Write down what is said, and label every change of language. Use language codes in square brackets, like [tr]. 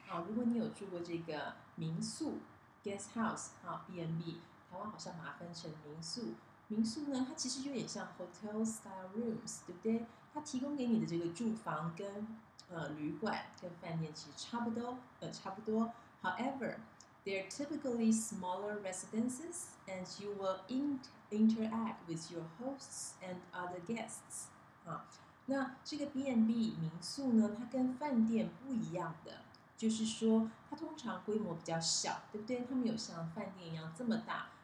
[zh] 如果你有住过这个民宿 guest house B&B， 台湾好像把它分成民宿。民宿呢，它其实有点像 hotel style rooms， 对不对？它提供给你的这个住房跟旅馆跟饭店其实差不多。 [en] However， they're typically smaller residences， and you will interact with your hosts and other guests。 [zh] 那这个 B&B 民宿呢，它跟饭店不一样的。就是说它通常规模比较小，对不对？它没有像饭店一样这么大。